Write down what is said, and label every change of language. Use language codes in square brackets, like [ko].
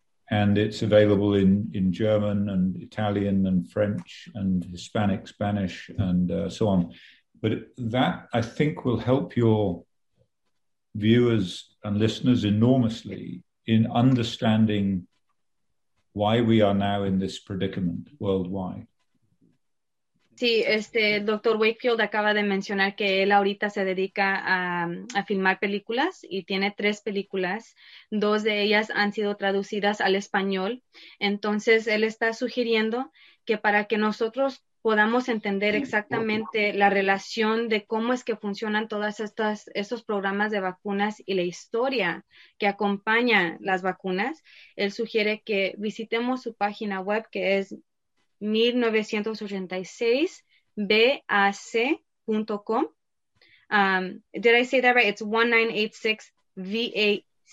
[en] And it's available in German and Italian and French and Hispanic Spanish and so on. But that, I think, will help your viewers and listeners enormously in understanding why we are now in this predicament worldwide. [es] Sí, el doctor Wakefield acaba de mencionar que él ahorita se dedica a filmar películas y tiene 3 películas. 2 de ellas han sido traducidas al español. Entonces, él está sugiriendo que para que nosotros podamos entender exactamente la relación de cómo es que funcionan todas estos programas de vacunas y la historia que acompaña las vacunas, él sugiere que visitemos su página web que es 1986vac.com. [en] Did I say that right? It's 1986vac.com.